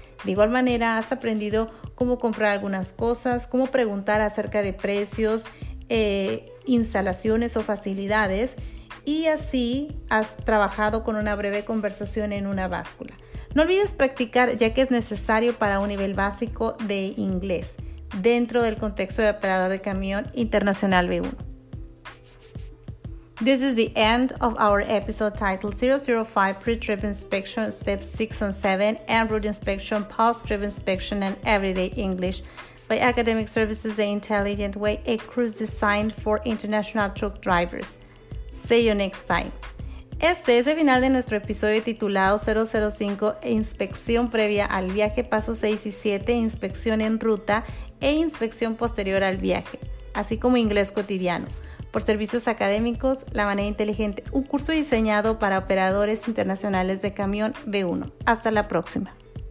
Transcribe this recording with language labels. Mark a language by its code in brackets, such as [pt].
[es] De igual manera, has aprendido cómo comprar algunas cosas, cómo preguntar acerca de precios, instalaciones o facilidades, y así has trabajado con una breve conversación en una báscula. No olvides practicar, ya que es necesario para un nivel básico de inglés dentro del contexto de operador de camión internacional B1. [en] This is the end of our episode titled 005 Pre-Trip Inspection Steps 6 and 7 and Route Inspection, Post-Trip Inspection and Everyday English by Academic Services The Intelligent Way, a cruise designed for international truck drivers. See you next time. [es] Este es el final de nuestro episodio titulado 005 Inspección Previa al Viaje, Paso 6 y 7 Inspección en Ruta e Inspección Posterior al Viaje, así como Inglés Cotidiano. Por servicios académicos, La Manera Inteligente, un curso diseñado para operadores internacionales de camión B1. Hasta la próxima.